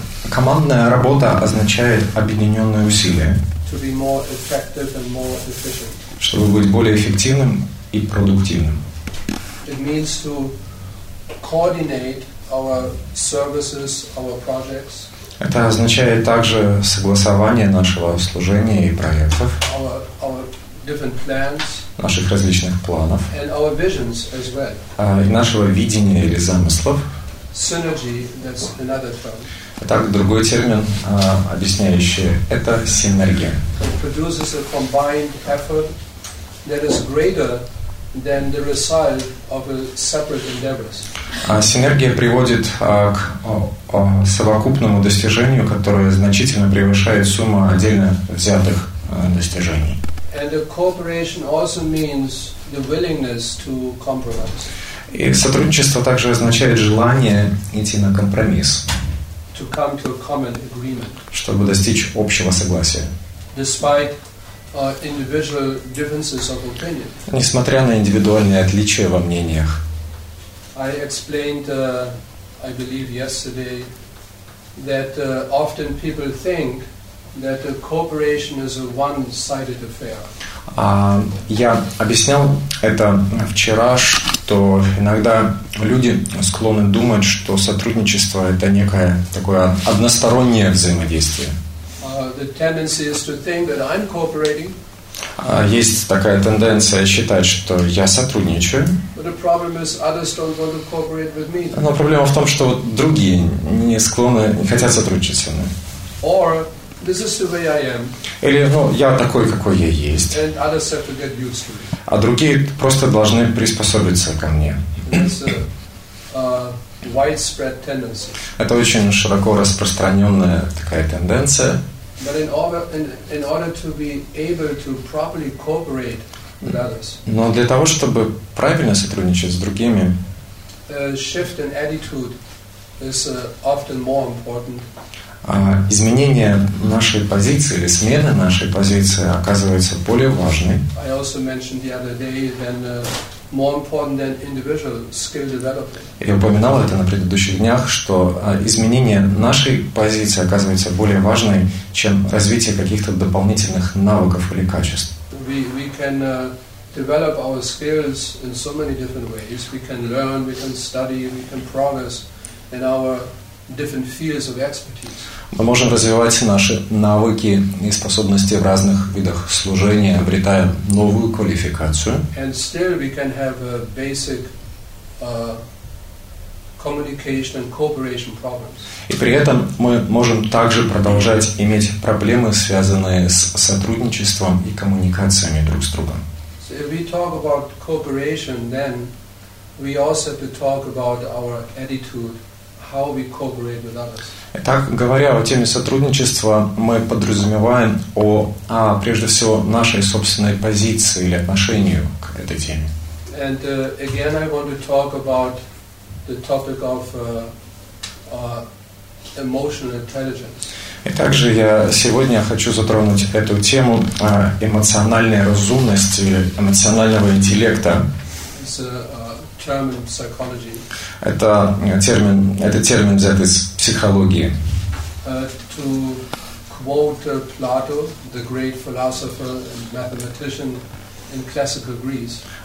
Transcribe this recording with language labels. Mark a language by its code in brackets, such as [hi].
[ru] Командная работа означает объединенные усилия. [en] To be more effective and more efficient. [ru] Чтобы быть более эффективным и продуктивным. [en] It means to coordinate our services, our projects. [ru] Это означает также согласование нашего служения и проектов. [en] Our different plans. [ru] Наших различных планов. [en] And our visions as well. [ru] И нашего видения или замыслов. [en] Synergy, that's another term. [ru] Итак, другой термин, объясняющий это синергия. [en] It produces a combined effort that is greater than the result of a separate endeavors. [ru] Синергия приводит к совокупному достижению, которое значительно превышает сумму отдельно взятых достижений. [en] And the cooperation also means the willingness to compromise. [ru] И сотрудничество также означает желание идти на компромисс. [en] To come to a common agreement. [ru] Чтобы достичь общего согласия. [en] Despite individual differences of opinion. [ru] Несмотря на индивидуальные отличия во мнениях. [en] I explained, I believe yesterday, that often people think that a cooperation is a one-sided affair. [ru] Я объяснял это вчера, что иногда люди склонны думать, что сотрудничество — это некое такое одностороннее взаимодействие. [en] The tendency is to think that I'm cooperating. [ru] Есть такая тенденция считать, что я сотрудничаю. [en] But the problem is others don't want to cooperate with me. [ru] Но проблема в том, что вот другие не склонны, не хотят сотрудничать со мной. [en] Or this is the way I am. [ru] Или, ну, я такой, какой я есть. [en] And others have to get used to me. [ru] А другие просто должны приспособиться ко мне. [en] That's a widespread tendency. [ru] Это очень широко распространенная такая тенденция. [en] But in order to be able to properly cooperate with others. [ru] Но для того, чтобы правильно сотрудничать с другими. [en] A shift in attitude is often more important. [ru] Изменение нашей позиции или смена нашей позиции оказывается более важной. [en] I also mentioned the other day that more important than individual skill development. [ru] Я упоминал это на предыдущих днях, что изменение нашей позиции оказывается более важной, чем развитие каких-то дополнительных навыков или качеств. [en] We can develop our skills in so many different ways. We can learn, we can study, we can progress in our different fields of expertise. [ru] Мы можем развивать наши навыки и способности в разных видах служения, обретая новую квалификацию. [en] And still we can have a basic communication and cooperation problems. [ru] И при этом мы можем также продолжать иметь проблемы, связанные с сотрудничеством и коммуникациями друг с другом. [en] So if we talk about cooperation, then we also have to talk about our attitude, how we cooperate with others. [ru] Итак, говоря о теме сотрудничества, мы подразумеваем прежде всего, нашей собственной позиции или отношению к этой теме. [en] And again, I want to talk about the topic of emotional intelligence. [ru] И также я сегодня хочу затронуть эту тему эмоциональной разумности, эмоционального интеллекта. [en] It's a term in psychology. [ru] Это термин взят из психологии. [en] To quote Plato, the great philosopher and mathematician in classical Greece.